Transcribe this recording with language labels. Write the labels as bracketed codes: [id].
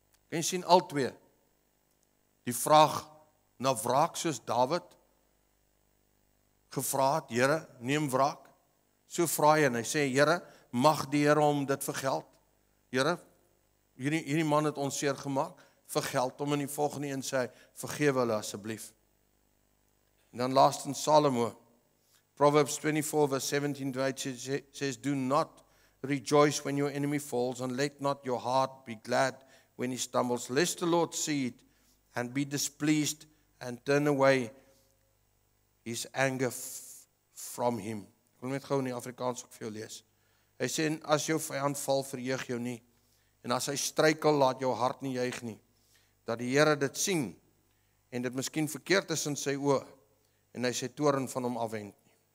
[af] Kan jy sien al twee, die vraag na wraak soos David gevra het, Here, neem wraak, so vra hy en hy sê, Here, mag die Here hom dit vergeld? Here, hierdie man het ons seer gemaak, vergeld hom in die volgende en sê, vergewe hulle asseblief. En dan laast in Salomo, [en] Proverbs 24 verse 17 to 18 says, do not rejoice when your enemy falls and let not your heart be glad when he stumbles, lest the Lord see it and be displeased, and turn away his anger from him. [af] Ek wil net gou in die Afrikaans ook vir jou lees. Hy sê, as jou vyand val, verheug jou nie, en as hy struikel, laat jou hart nie juig nie, dat die Here dit sien, en dit miskien verkeerd is in sy oë, en hy sy toren van hom afwend nie.